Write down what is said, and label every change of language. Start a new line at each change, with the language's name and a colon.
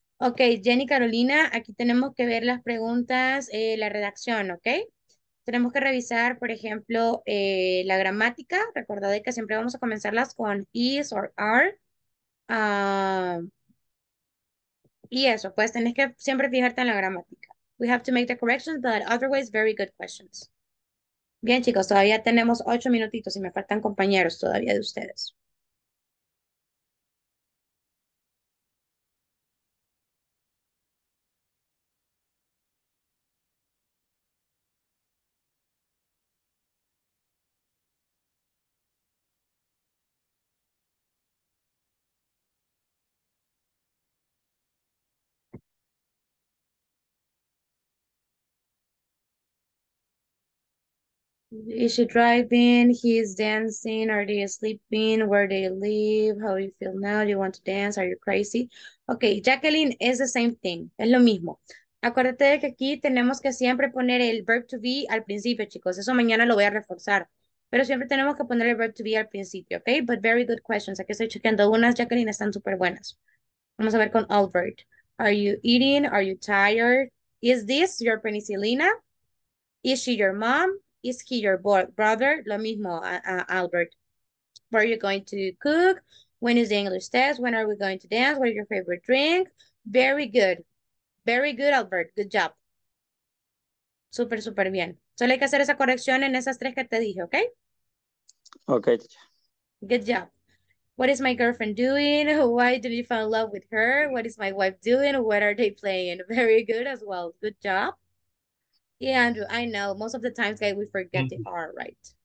Spanish: Okay, Jenny Carolina, aquí tenemos que ver las preguntas, la redacción, okay? Tenemos que revisar, por ejemplo, la gramática. Recordad que siempre vamos a comenzarlas con is or are. Y eso, pues tenés que siempre fijarte en la gramática.
English: We have to make the corrections, but otherwise, very good questions.
Spanish: Bien, chicos, todavía tenemos 8 minutitos y me faltan compañeros todavía de ustedes.
English: Is she driving? He's dancing. Are they sleeping? Where they live? How do you feel now? Do you want to dance? Are you crazy? Okay, Jacqueline, is the same thing.
Spanish: Es lo mismo. Acuérdate de que aquí tenemos que siempre poner el verb to be al principio, chicos. Eso mañana lo voy a reforzar. Pero siempre tenemos que poner el verb to be al principio, okay?
English: But very good questions.
Spanish: Aquí estoy chequeando unas, Jacqueline, están súper buenas. Vamos a ver con Albert.
English: Are you eating? Are you tired? Is this your penicilina? Is she your mom? is he your brother?
Spanish: Lo mismo, Albert.
English: Where are you going to cook? When is the English test? When are we going to dance? What is your favorite drink? Very good. Very good, Albert. Good job.
Spanish: Súper, súper bien. Solo hay que hacer esa corrección en esas tres que te dije, ¿ok? Ok.
English: Good job. What is my girlfriend doing? Why did you fall in love with her? What is my wife doing? What are they playing? Very good as well. Good job. Yeah, Andrew, I know. Most of the times, guys, we forget the R, right?